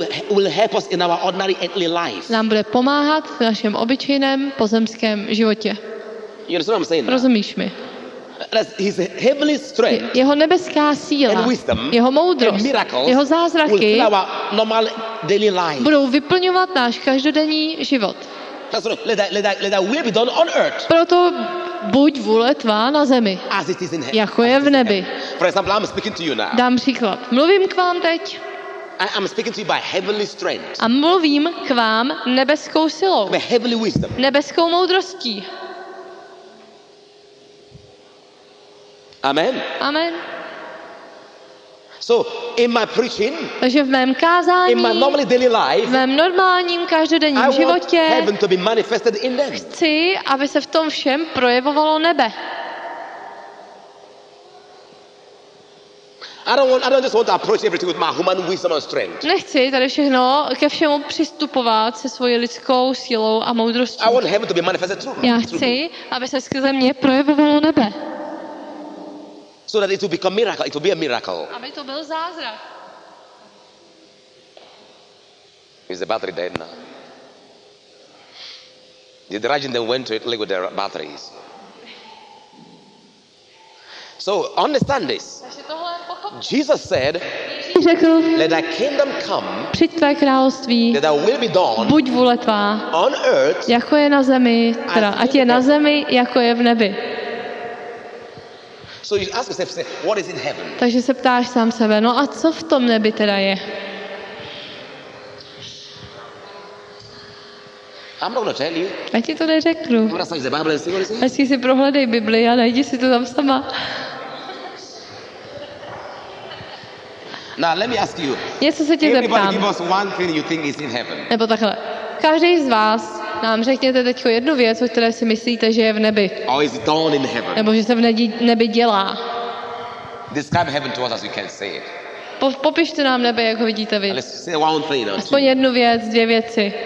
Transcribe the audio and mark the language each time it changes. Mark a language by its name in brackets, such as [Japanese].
[English] Will help us in our ordinary earthly life. [Czech] Nám bude pomáhat v našem obyčejném pozemském životě. [English] You understand what I'm saying? [Czech] Rozumíš mi? [English] His heavenly strength. [Czech] Jeho nebeská síla. [English] And wisdom. [Czech] Jeho moudrost. [English] And miracles. [Czech] Jeho zázraky. [English] Will fill our normal daily life. [Czech] Budou vyplňovat náš každodenní život. [English] Let that will be done on earth. [Czech] Proto buď vůle tvá na zemi. [English] As it is in heaven. [Czech] Jako je v nebi. [English] For example, I'm speaking to you now. [Czech] Dám příklad. Mluvím k vám teď. [English] I'm speaking to you by heavenly strength. [Czech] A mluvím k vám nebeskou silou. [English] By heavenly wisdom. [Czech] Nebeskou moudrostí. [English] Amen. [Czech] Amen. [English] So in my preaching, [Czech] takže v mém kázání, [English] in my normally daily life, [Czech] v mém normálním každodenním životě, [English] I want heaven to be manifested in them. [Czech] Chci, aby se v tom všem projevovalo nebe. [English] I don't just want to approach everything with my human wisdom and strength. [Czech] Nechci tady všechno ke všemu přistupovat se svojí lidskou silou a moudrostí. [English] I want heaven to be manifested through. [Czech] Já chci, aby se skrze mě projevovalo nebe. [English] So that it will become miracle. It will be a miracle. [Czech] Aby to byl zázrak. [English] Is the battery dead now? Did the Rajin then went to Italy with their batteries? So understand this. Jesus said, [Czech] řekl, [English] "Let thy kingdom come. [Czech] Přijď tvé království. [English] Let thy will be done. [Czech] Buď vůle tvá. [English] On earth, [Czech] jako je na zemi, teda, ať je na zemi, jako je v nebi." [English] So you ask yourself, "What is in heaven?" [Czech] Takže se ptáš sám sebe, no a co v tom nebi teda je? [English] I'm not gonna tell you. [Czech] Já ti to neřeknu. Ať si prohledej Bibli a najdi si to tam sama. [English] Now let me ask you. [Czech] Něco se tě zeptám. [English] Give us one thing you think is in heaven. [Czech] Nebo takhle. Každý z vás nám řekněte teď jednu věc, o které si myslíte, že je v nebi. [English] Or is it all in heaven? [Czech] Nebo že se v nebi dělá. [English] Describe heaven to us as we can say it. [Czech] Popište nám nebe, jak ho vidíte vy. [English] Let's say one thing, don't you? [Czech] Aspoň jednu věc, dvě věci.